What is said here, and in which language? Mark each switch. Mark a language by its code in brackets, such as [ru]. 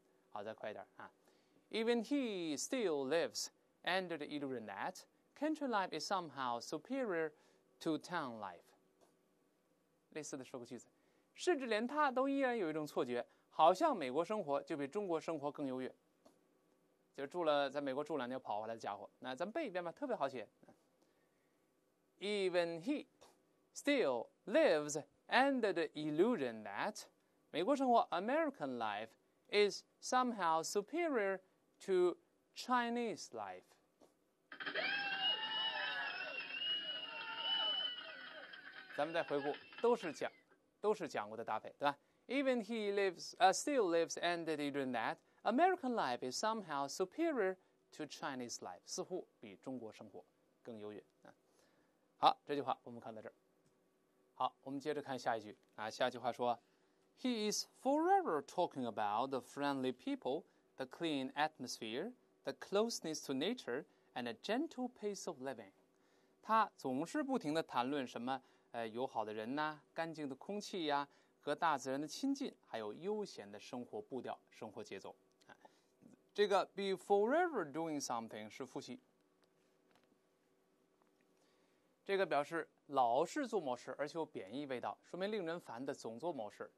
[zh] 好，再快一点啊 [en] ！Even he still lives under the illusion that country life is somehow superior to town life。 [zh] 类似的说个句子，甚至连他都依然有一种错觉。好像美国生活就比中国生活更优越，就住了在美国住两年跑回来的家伙，那咱们背一遍吧，特别好写。 [en] Even he still lives under the illusion that 美国生活 American life is somehow superior to Chinese life。 [zh] 咱们再回顾，都是讲过的搭配，对吧？ [en] Even he lives, still lives under the illusion that American life is somehow superior to Chinese life. [zh] 似乎比中国生活更优越。好，这句话我们看到这儿。好，我们接着看下一句。下一句话说 [en] He is forever talking about the friendly people, the clean atmosphere, the closeness to nature, and a gentle pace of living. [zh] 他总是不停地谈论什么友好的人干净的空气和大自然的亲近，还有悠闲的生活步调、生活节奏。这个 [en] be forever doing something [zh] 是复习，这个表示老是做某事，而且有贬义味道，说明令人烦的总做某事。